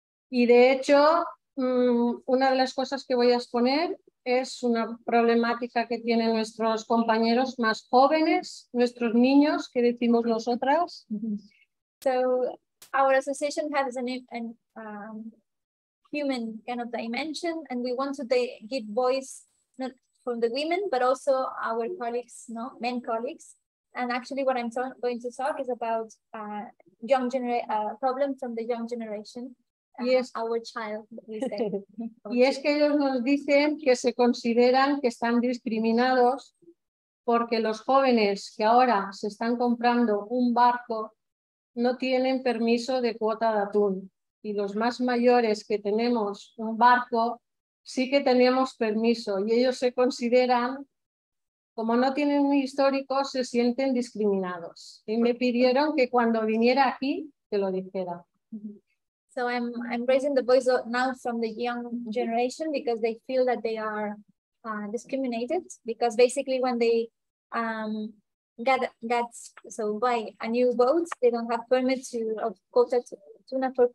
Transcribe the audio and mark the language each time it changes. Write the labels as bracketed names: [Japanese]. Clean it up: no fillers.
[Spanish] Y de hecho, una de las cosas que voy a exponer es una problemática que tienen nuestros compañeros más jóvenes, nuestros niños, que decimos nosotras. [English] So, our association has a human kind of dimension, and we want to give voice not from the women, but also our colleagues, no, men colleagues. And actually, what I'm going to talk is about problem from the young generation. Yes, our child. [Spanish] Y es que ellos nos dicen que se consideran que están discriminados porque los jóvenes que ahora se están comprando un barco no tienen permiso de cuota de atún. Y los más mayores que tenemos un barco sí que tenemos permiso. Y ellos se consideran, como no tienen un histórico, se sienten discriminados. Y me pidieron que cuando viniera aquí, te lo dijera. [English] So I'm raising the voice now from the young generation because they feel that they are discriminated because basically when they buy a new boat, they don't have permit to quota tuna.